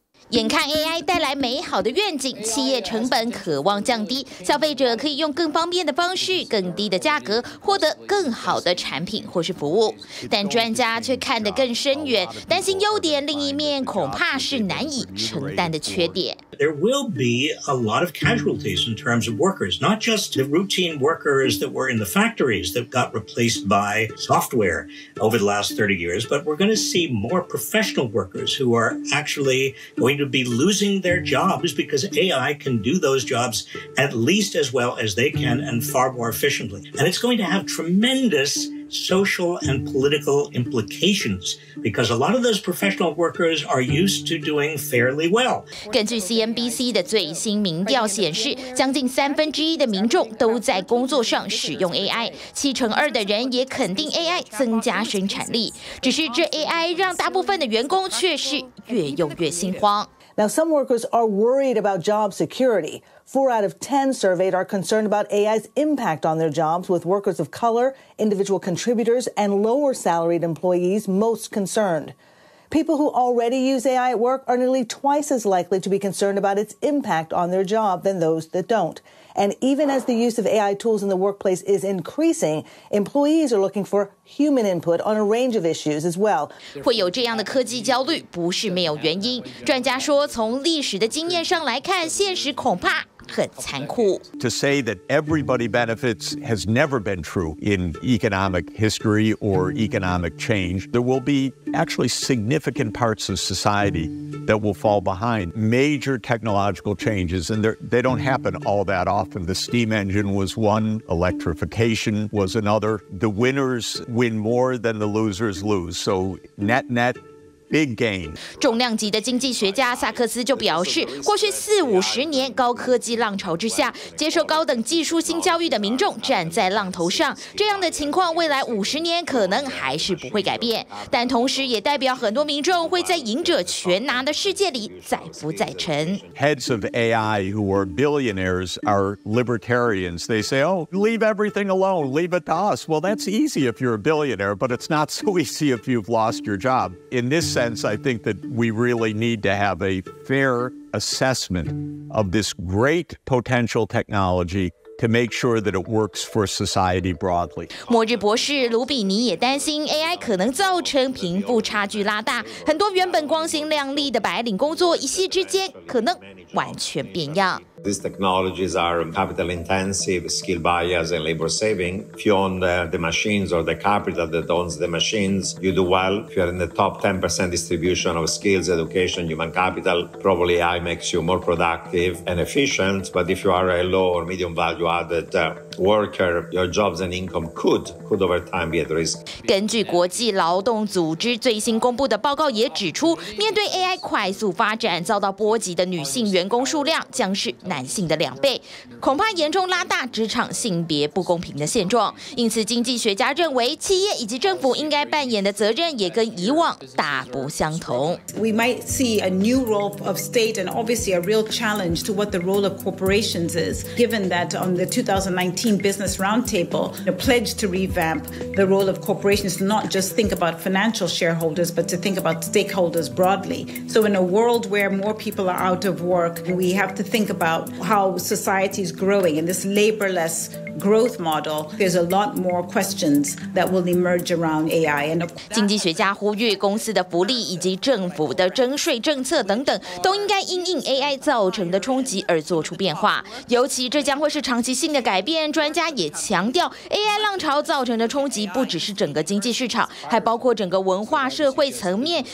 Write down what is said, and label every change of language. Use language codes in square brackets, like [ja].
[zh] 眼看 AI 带来美好的愿景，企业成本渴望降低，消费者可以用更方便的方式、更低的价格获得更好的产品或是服务。但专家却看得更深远，担心优点另一面恐怕是难以承担的缺点。 [en] There will be a lot of casualties in terms of workers, not just the routine workers that were in the factories that got replaced by software over the last 30 years, but we're going to see more professional workers who are actually going to be losing their jobs because AI can do those jobs at least as well as they can and far more efficiently. And it's going to have tremendous social and political implications because a lot of those professional workers are used to doing fairly well. [zh] 根据 CNBC 的最新民调显示，将近1/3的民众都在工作上使用 AI， 72%的人也肯定 AI 增加生产力。只是这 AI 让大部分的员工却是越用越心慌。 [en] Now some workers are worried about job security. 4 out of 10 surveyed are concerned about AI's impact on their jobs, with workers of color, individual contributors, and lower salaried employees most concerned. People who already use AI at work are nearly twice as likely to be concerned about its impact on their job than those that don't. And even as the use of AI tools in the workplace is increasing, employees are looking for human input on a range of issues as well. [zh] 会有这样的科技焦虑不是没有原因。专家说，从历史的经验上来看，现实恐怕很残酷。 [en] To say that everybody benefits has never been true in economic history or economic change. There will be actually significant parts of society that will fall behind. Major technological changes, and they don't happen all that often. The steam engine was one. Electrification was another. The winners win more than the losers lose. So net net. Big gain. [zh] 重量级的经济学家萨克斯就表示，过去40-50年高科技浪潮之下，接受高等技术性教育的民众站在浪头上，这样的情况未来50年可能还是不会改变，但同时也代表很多民众会在赢者全拿的世界里载浮载沉。 [en] Heads of AI who are billionaires are libertarians. They say, "Oh, leave everything alone, leave it to us." Well, that's easy if you're a billionaire, but it's not so easy if you've lost your job. In this sense, I think that we really need to have a fair assessment of this great potential technology to make sure that it works for society broadly. [zh] 末日博士卢比尼也担心 AI 可能造成贫富差距拉大，很多原本光鲜亮丽的白领工作一夕之间可能完全变样。 [en] These technologies are capital intensive, skill bias and labor saving. If you own the machines or the capital that owns the machines, you do well. If you're in the top 10% distribution of skills, education, human capital, probably AI makes you more productive and efficient. But if you are a low or medium value added worker, your jobs and income could over time be at risk. [zh] 根据国际劳动组织最新公布的报告也指出，面对 AI 快速发展，遭到波及的女性员工数量将是男性的两倍，恐怕严重拉大职场性别不公平的现状。因此，经济学家认为，企业以及政府应该扮演的责任也跟以往大不相同。 [en] We might see a new role of state, and obviously a real challenge to what the role of corporations is, given that on the 2019 Business Roundtable, a pledge to revamp the role of corporations to not just think about financial shareholders, but to think about stakeholders broadly. So, in a world where more people are out of work, we have to think about how society is growing in this laborless. Growth model, there's a lot more questions that will emerge around AI. And [zh] 经济学家呼吁，公司的福利以及政府的征税政策等等，都应该因应 AI 造成的冲击而做出变化。尤其这将会是长期性的改变。专家也强调 ，AI 浪潮造成的冲击不只是整个经济市场，还包括整个文化社会层面。